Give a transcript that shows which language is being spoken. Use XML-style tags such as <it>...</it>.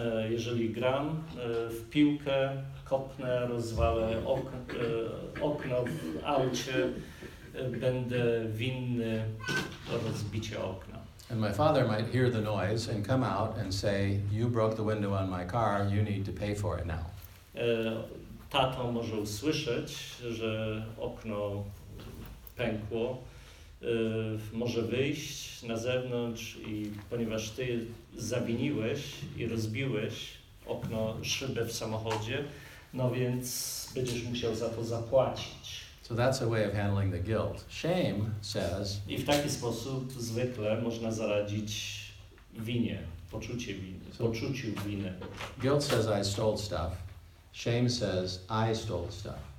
<pl>Jeżeli gram w piłkę, kopnę, rozwalę okno w aucie, będę winny rozbicia okna.</pl> <en>And my father might hear the noise and come out and say, you broke the window on my car, you need to pay for it now.</en> <pl>Tato może usłyszeć, że okno pękło, może wyjść na zewnątrz i ponieważ ty zawiniłeś i rozbiłeś okno, szybę w samochodzie, no więc będziesz musiał za to zapłacić.</pl> <en>So that's a way of handling the guilt. Shame says...</en> <pl>I w taki sposób zwykle można zaradzić winie, poczucie winy, so poczuciu winy.</pl> <en>Guilt says I stole stuff. Shame says I stole stuff.</en>